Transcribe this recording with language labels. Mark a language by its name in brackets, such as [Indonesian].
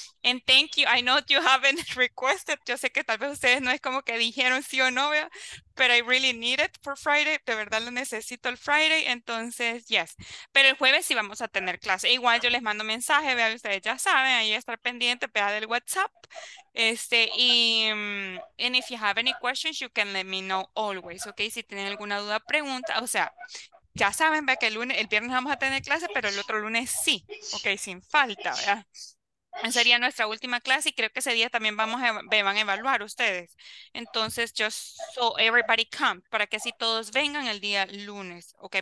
[English] And thank you, I know you haven't requested, [Spanish] yo sé que tal vez ustedes no es como que dijeron sí o no, pero [English] I really need it for Friday, [Spanish] de verdad lo necesito el Friday, entonces, [English] yes. [Spanish] Pero el jueves sí vamos a tener clase, igual yo les mando mensaje, vean, ustedes ya saben, ahí estar pendiente, vea del WhatsApp. [English] And if you have any questions, you can let me know always, okay? [Spanish] Si tienen alguna duda, pregunta, o sea, ya saben, vea que el viernes vamos a tener clase, pero el otro lunes sí, okay, sin falta, ¿verdad? Sería nuestra última clase y creo que ese día también van a evaluar ustedes. Entonces, [English] just so everybody come, [Spanish] para que así todos vengan el día lunes, ¿ok?